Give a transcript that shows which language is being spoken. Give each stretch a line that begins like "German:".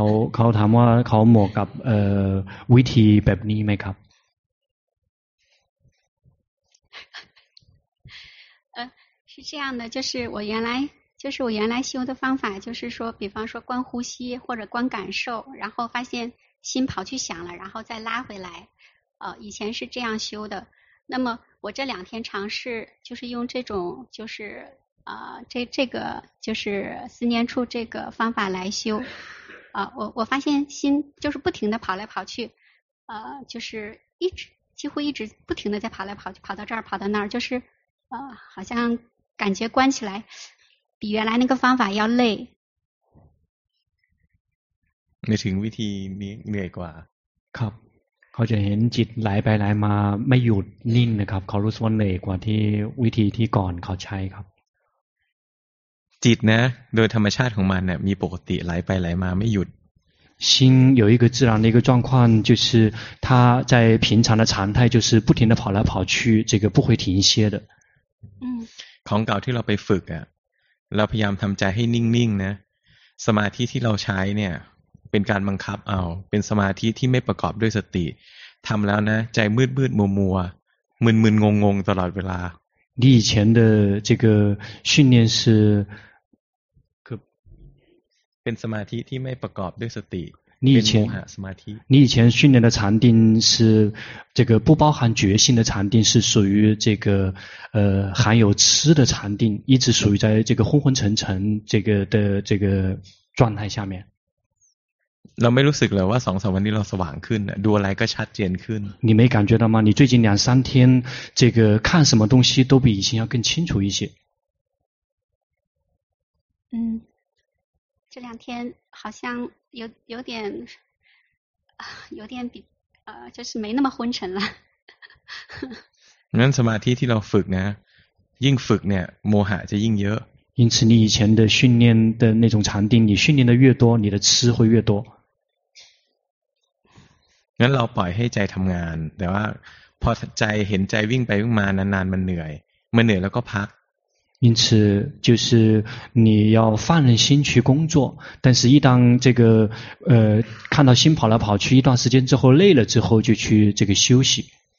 Thai: เขาถามว่าเขาเหมาะกับวิธีแบบนี้ไหมครับ
Chinese: เออ是这样的就是我原来就是我原来修的方法，就是说，比方说观呼吸或者观感受，然后发现心跑去想了，然后再拉回来。以前是这样修的。那么我这两天尝试，就是用这种，就是这个就是思念处这个方法来修。我发现心就是不停的跑来跑去，就是一直几乎一直不停的在跑来跑去，跑到这儿跑到那儿，就是好像感觉关起来比原来那个方法要累。
Thai: 你ถึงวิธีนี้เหนื่อยกว่า ครับเขาจะเห็นจิตไหลไปไหลมาไม่หยุดนิ่งนะครับเขารู้สึกว่าเหนื่อยกว่าที่วิธีที่ก่อนเขาใช้ครับ จิตนะโดยธรรมชาติของมันเนี่ยมีปกติไหลไปไหลมาไม่หยุด
Chinese: 心有一个自然的一个状况，就是它在平常的常态就是不停的跑来跑去，这个不会停歇的。嗯。
Thai: ของเก่าที่เราไปฝึกอ่ะเราพยายามทำใจให้นิ่งๆ นะสมาธิที่เราใช้เนี่ยเป็นการบังคับเอาเป็นสมาธิที่ไม่ประกอบด้วยสติทำแล้วนะใจมืดๆมัวๆมึนๆงงๆตลอดเวลา
Chinese: 你以前的这个训练是
Thai: เป็นสมาธิที่ไม่ประกอบด้วยสติ
Chinese: 你以前
Thai: สมาธิ
Chinese: 你以前训练的禅定是这个不包含觉性的禅定是属于这个含有痴的禅定一直属于在这个昏昏沉沉这个的这个状态下面
Thai: เราไม่รู้สึกเลยว่าสองสามวันนี้เราสว่างขึ้นดูอะไรก็ชัดเจนขึ้น
Chinese: 你没感觉到吗你最近两三天这个看什么东西都比以前要更清楚一些嗯这两天好像有点比就是没那么昏沉了
Thai: งั้นสมาธิที่เราฝึกนะยิ่งฝึกเนี่ยโมหะจะยิ่งเยอะ
Chinese: 因此你以前的训练的那种禅定你训练的越多你的痴会越多
Thai: งั้นเราปล่อยให้ใจทำงานแต่ว่าพอใจเห็นใจวิ่งไปวิ่งมานานๆมันเหนื่อยมันเหนื่อยแล้วก็พัก
Chinese: 因此就是你要放任心去工作但是一旦这个看到心跑来跑去一段时间之后累了之后就去这个休息